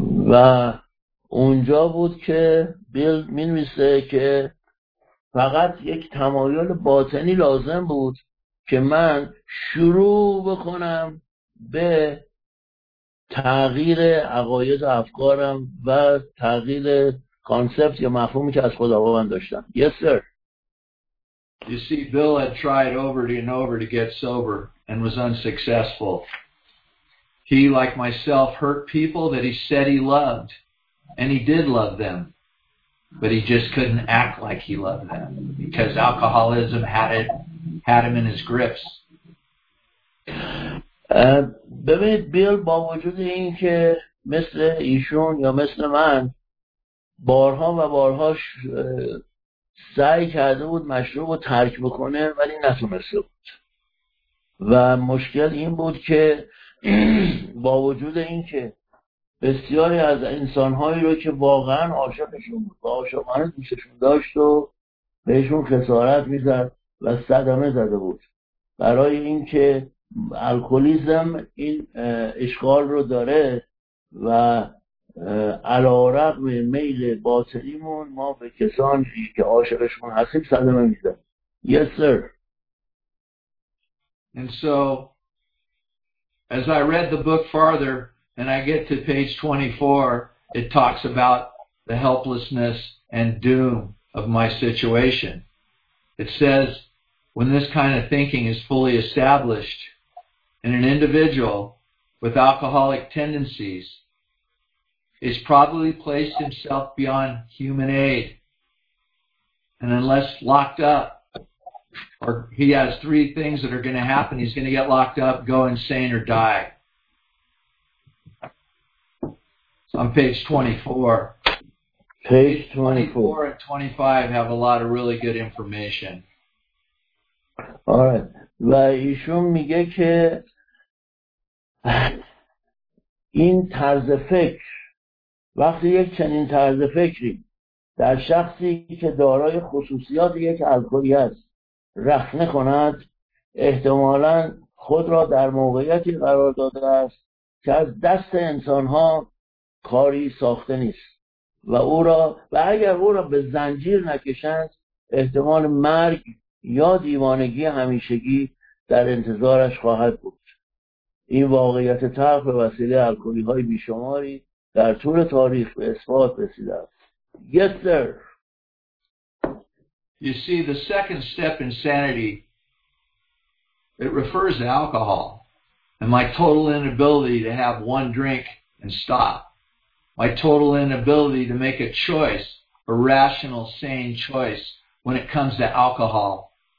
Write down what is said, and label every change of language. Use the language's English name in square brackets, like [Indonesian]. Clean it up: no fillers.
[Persian] و اونجا بود که بیل می نویسه که فقط یک تمایل باطنی لازم بود که من شروع بکنم به تغییر عقاید و افکارم و تغییر کانسپت یا مفهومی که از خداوند داشتم. [English] Yes, sir. You see, Bill had tried over and over to get sober and was unsuccessful. He, like myself, hurt people that he said he loved, and he did love them. But he just couldn't act like he loved them because alcoholism had him in his grips. [Persian] ببینید بیل با وجود این که مثل ایشون یا مثل من بارها و بارها سعی کرده بود مشروب رو ترک بکنه ولی نتونسته بود. و مشکل این بود که با وجود این که بسیاری از انسان‌هایی رو که واقعاً عاشقشون بود، عاشقانه دوستشون داشت و بهشون خسارت می‌زد و صدمه زده بود. برای اینکه الکلیسم این اشغال رو داره و علی‌رغم میل باطنیمون ما به کسانی که عاشقشون هستیم صدمه می‌زنیم. [English] Yes, sir. And so, as I read the book farther, and I get to page 24, it talks about the helplessness and doom of my situation. It says, when this kind of thinking is fully established in an individual with alcoholic tendencies, he's probably placed himself beyond human aid. And unless locked up, or he has three things that are going to happen. He's going to get locked up, go insane, or die. So on page 24. Page 24. 24 and 25 have a lot of really good information. All right. [Persian] و ایشون میگه که این طرز فکر، وقتی یک چنین طرز فکری در شخصی که دارای خصوصیات یک الکلی است رخنه کند، احتمالاً خود را در موقعیتی قرار داده است که از دست انسان‌ها کاری ساخته نیست و او را و اگر او را به زنجیر نکشند، احتمال مرگ یا دیوانگی همیشگی در انتظارش خواهد بود. این واقعیت تلخ به وسیله الکلی‌های بیشماری در طول تاریخ به اثبات رسیده است. [English] Yes, sir. You see, the second step in sanity, it refers to alcohol and my total inability to have one drink and stop. My total inability to make a choice, a rational, sane choice when it comes to alcohol.